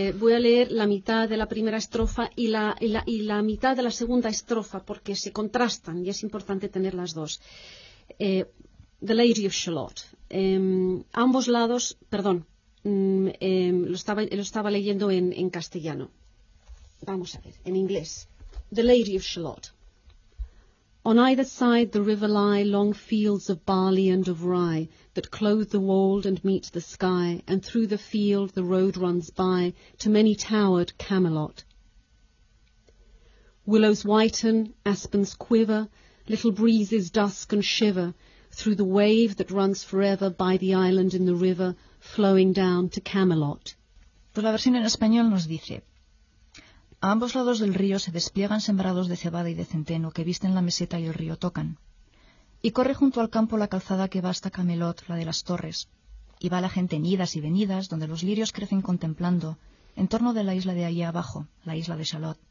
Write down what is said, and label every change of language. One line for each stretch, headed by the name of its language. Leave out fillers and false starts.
Spanish: Voy a leer la mitad de la primera estrofa y la mitad de la segunda estrofa, porque se contrastan y es importante tener las dos. The Lady of Shalott. Ambos lados, perdón, lo estaba leyendo en castellano. Vamos a ver, en inglés. The Lady of Shalott.
English: On either side the river lie long fields of barley and of rye that clothe the wold and meet the sky, and through the field the road runs by to many towered Camelot. Willows whiten, aspens quiver, little breezes dusk and shiver through the wave that runs forever by the island in the river flowing down to Camelot.
Spanish: Pues la versión en español nos dice: a ambos lados del río se despliegan sembrados de cebada y de centeno que visten la meseta y el río tocan. Y corre junto al campo la calzada que va hasta Camelot, la de las torres. Y va la gente en idas y venidas, donde los lirios crecen contemplando, en torno de la isla de allí abajo, la isla de Shalott.